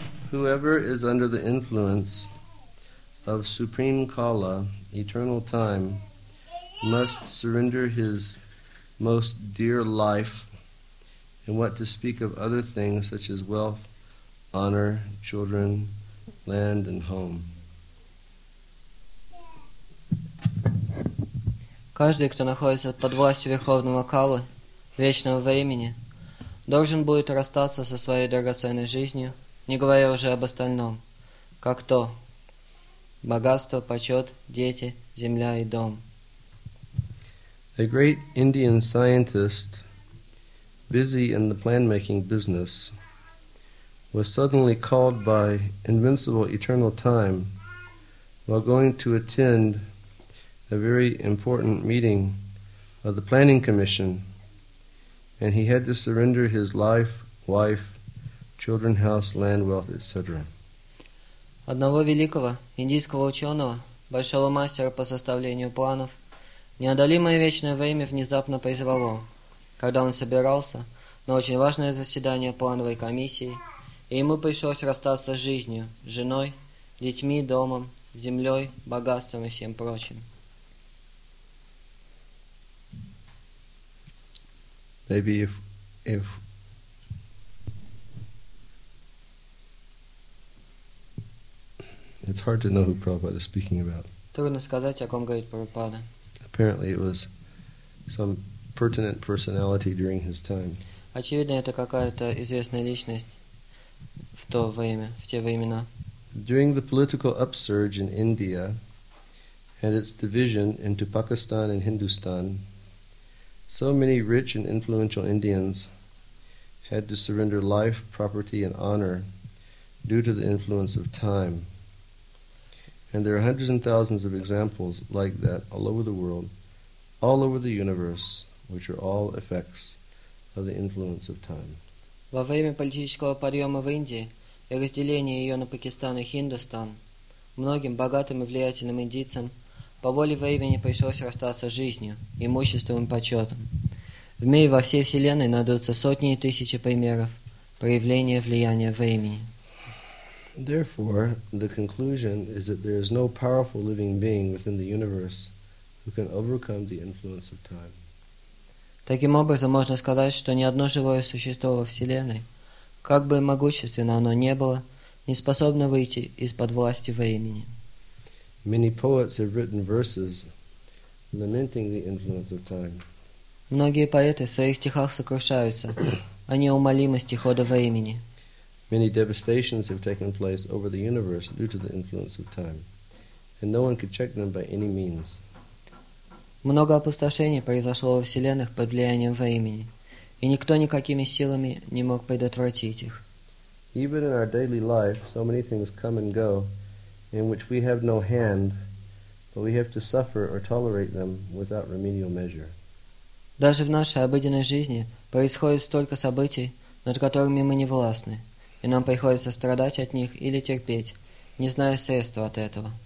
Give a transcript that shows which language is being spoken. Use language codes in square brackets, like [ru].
[en] Whoever is under the influence of supreme kala, eternal time, must surrender his most dear life, and what to speak of other things such as wealth, honor, children, land, and home. [ru] Каждый, кто находится под властью Верховного Калы, вечного времени, должен будет расстаться со своей драгоценной жизнью, не говоря уже об остальном, как то богатство, почет, дети, земля и дом. [en] A great Indian scientist, busy in the plan-making business, was suddenly called by invincible eternal time while going to attend a very important meeting of the planning commission, and he had to surrender his life, wife, children, house, land, wealth, etc. [ru] Одного великого индийского ученого, большого мастера по составлению планов, неодолимое вечное время внезапно призвало, когда он собирался на очень важное заседание плановой комиссии, и ему пришлось расстаться с жизнью, женой, детьми, домом, землей, богатством и всем прочим. [en] Maybe if it's hard to know who Prabhupada is speaking about. [ru] Трудно сказать, о ком говорит Прабхупада. [en] Apparently, it was some pertinent personality during his time. [ru] Очевидно, это какая-то известная личность в то время, в те времена. [en] During the political upsurge in India and its division into Pakistan and Hindustan, so many rich and influential Indians had to surrender life, property, and honor due to the influence of time. And there are hundreds and thousands of examples like that all over the world, all over the universe, which are all effects of the influence of time. [ru] Во время политического подъема в Индии и разделения ее на Пакистан и Хиндустан, многим богатым и влиятельным индийцам по воле времени пришлось расстаться с жизнью, имуществом и почетом. В мире во всей вселенной найдутся сотни и тысячи примеров проявления влияния времени. [en] Therefore, the conclusion is that there is no powerful living being within the universe who can overcome the influence of time. [ru] Таким образом, можно сказать, что ни одно живое существо во вселенной, как бы могущественно оно ни было, не способно выйти из-под власти времени. [en] Many poets have written verses lamenting the influence of time. [ru] Многие поэты в своих стихах сокрушаются о неумолимости хода времени. [en] Many devastations have taken place over the universe due to the influence of time, and no one could check them by any means. [ru] Много опустошений произошло во вселенных под влиянием времени, и никто никакими силами не мог предотвратить их. [en] Even in our daily life, so many things come and go in which we have no hand, but we have to suffer or tolerate them without remedial measure. [ru] Даже в нашей обыденной жизни происходит столько событий, над которыми мы не властны, и нам приходится страдать от них или терпеть, не зная средства от этого.